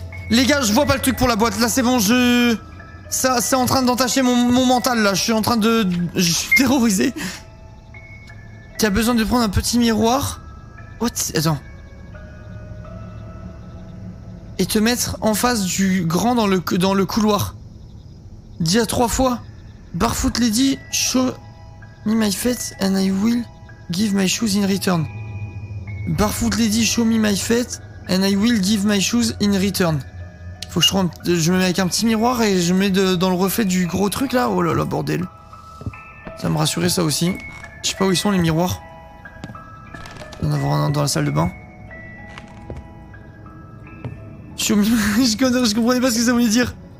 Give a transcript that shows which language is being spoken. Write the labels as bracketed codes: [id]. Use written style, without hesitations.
[fr] Les gars, je vois pas le truc pour la boîte, là c'est bon, je... Ça, c'est en train d'entacher mon mental là, je suis en train de... Je suis terrorisé! T'as besoin de prendre un petit miroir. What? Attends. Et te mettre en face du grand dans le couloir. Dis à trois fois. [en] Barefoot lady, show me my feet and I will give my shoes in return. Barefoot lady, show me my feet and I will give my shoes in return. [fr] Faut que je prenne, je me mets avec un petit miroir et je mets dans le reflet du gros truc là. Oh là là, bordel. Ça me rassurait ça aussi. Je sais pas où ils sont les miroirs. On va rentrer dans la salle de bain. Je comprenais pas ce que ça voulait dire.